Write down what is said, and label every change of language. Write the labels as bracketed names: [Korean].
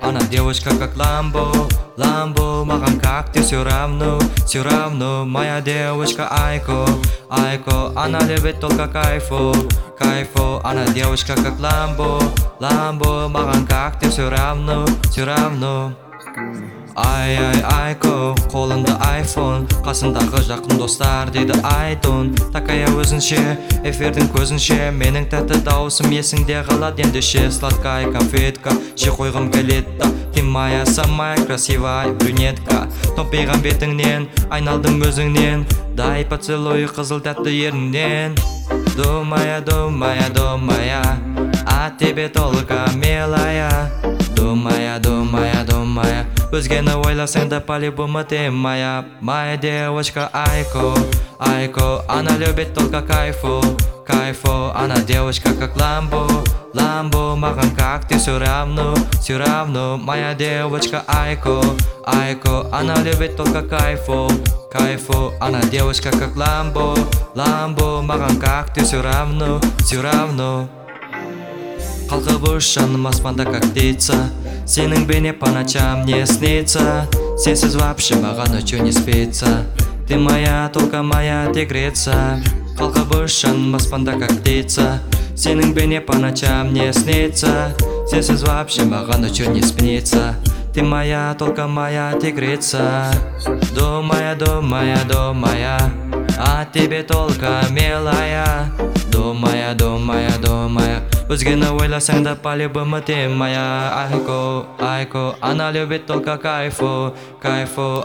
[Russian] Она девочка как Ламбо, Ламбо, махан как ты, все равно, все равно. Моя девочка Айко, Айко, она любит только кайфу, кайфу. Она девочка как Ламбо, Ламбо, махан как ты, все равно, все равно. [Kazakh] Ай ай Айко, қолында айфон, қасындағы жақын достар дейді айтон. [Russian] Такая [Kazakh] өзінше, эфирдің көзінше, менің тәтті дауысым есіңде қалады ендіше. [Russian] Сладкая конфетка, [Kazakh] же қойғым келетті. [Russian] Ты моя самая красивая брюнетка. [Kazakh] Топиған бетіңнен, айналдым өзіңнен. [Russian] Дай поцелуй [Kazakh] қызыл тәтті еріңнен. [Russian] Думая, думая, думая, а тебе только милая. Думая, думая, думая, [Kazakh] өзгені ойласаң да [Russian] по-любому ты моя. Моя девочка Айко, Айко, она любит только кайфу, кайфу. Она девочка как Ламбо, Ламбо, махан как ты, все равно, все равно. Моя девочка Айко, Айко, она любит только кайфу, кайфу. Она девочка как Ламбо, Ламбо, махан как ты, все равно, все равно. [Kazakh] Қалқып ұш жаным аспанда [Russian] как птица, [Kazakh] сенің бейне [Russian] по ночам не снится. [Kazakh] Сенсіз [Russian] вообще [Kazakh] маған [Russian] ночью не спится. Ты моя, только моя тигрица. Қалқып ұш жаным аспанда как птица, сенің бейне по ночам не снится. Сенсіз вообще маған ночью не спится. Ты моя, только моя тигрица. Думая, думая, думая, а тебе только милая. Думая, думая, думая, [Kazakh] өзгені ойласаң да [Russian] по-любому ты моя. Айко, Айко, она любит только кайфу, кайфу.